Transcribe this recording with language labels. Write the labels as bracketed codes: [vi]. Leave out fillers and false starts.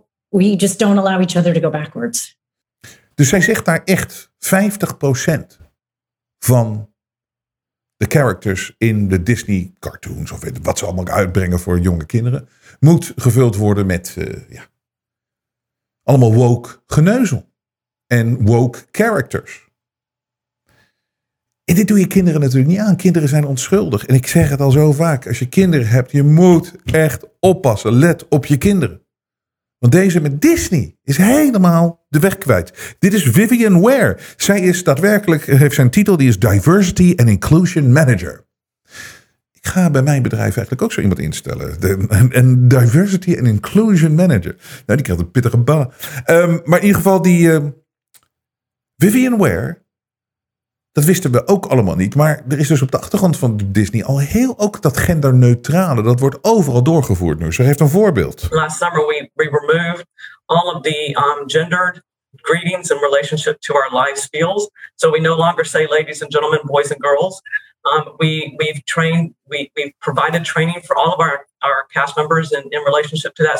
[en] We just don't allow each other to go backwards. [nl] Dus zij zegt daar echt 50% van de characters in de Disney cartoons, of wat ze allemaal uitbrengen voor jonge kinderen, moet gevuld worden met allemaal woke geneuzel. En woke characters. En dit doe je kinderen natuurlijk niet aan. Kinderen zijn onschuldig. En ik zeg het al zo vaak. Als je kinderen hebt, je moet echt oppassen. Let op je kinderen. Want deze met Disney is helemaal de weg kwijt. Dit is Vivian Ware. Zij is daadwerkelijk, heeft zijn titel, die is Diversity and Inclusion Manager. Ik ga bij mijn bedrijf eigenlijk ook zo iemand instellen. Een Diversity and Inclusion Manager. Nou, die krijgt een pittige baan. Maar in ieder geval die Vivian Ware, dat wisten we ook allemaal niet. Maar er is dus op de achtergrond van Disney al heel ook dat genderneutrale. Dat wordt overal doorgevoerd nu. Ze geeft een voorbeeld. [en] Last summer we removed all of the gendered greetings in relationship to our life skills. So we no longer say ladies and gentlemen, boys and girls. We've provided training for all of our cast members in relationship to that.